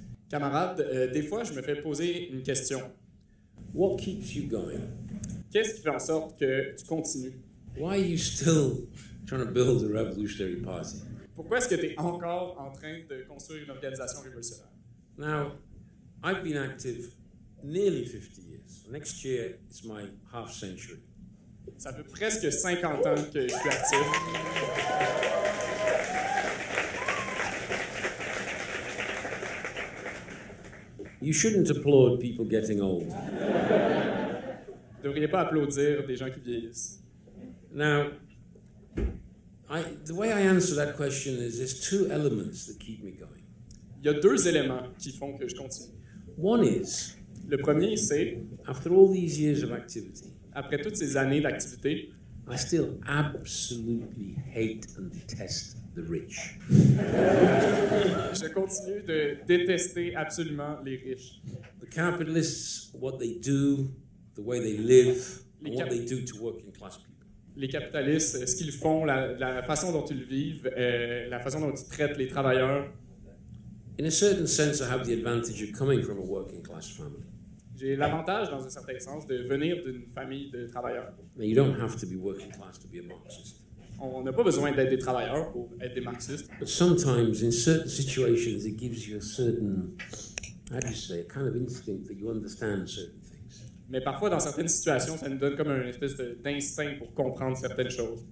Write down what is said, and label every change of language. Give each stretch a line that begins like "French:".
French: Camarade, des fois je me fais poser une question.
English: What keeps you going?
French: Qu'est-ce qui fait en sorte que tu continues?
English: Why are you still trying to build a revolutionary party?
French: Pourquoi est-ce que tu es encore en train de construire une organisation révolutionnaire?
English: Now, I've been active nearly 50 years. Next year it's my half century.
French: Ça fait presque 50 ans que je suis actif.
English: You shouldn't applaud people getting old.
French: Vous devriez pas applaudir des gens qui vieillissent.
English: Now, the way I answer that question is there's two elements that keep me going.
French: Il y a deux éléments qui font que je continue.
English: One is,
French: le premier c'est,
English: after all these years of activity,
French: après toutes ces années d'activité,
English: I still absolutely hate and detest the rich.
French: Je continue de détester absolument les riches.
English: The capitalists, what they do, the way they live, and what they do to working class people.
French: Les capitalistes, ce qu'ils font, la façon dont ils vivent, la façon dont ils traitent les travailleurs.
English: In a certain sense, I have the advantage of coming from a working class family.
French: J'ai l'avantage, dans un certain sens, de venir d'une famille de travailleurs.
English: Now, you don't have to be working class to be a Marxist.
French: On n'a pas besoin d'être des travailleurs pour être des marxistes.
English: But sometimes, in certain situations, it gives you a certain, how do you say, a kind of instinct that you understand certain things.
French: Mais parfois, dans certaines situations, ça nous donne comme une espèce d'instinct pour comprendre certaines choses.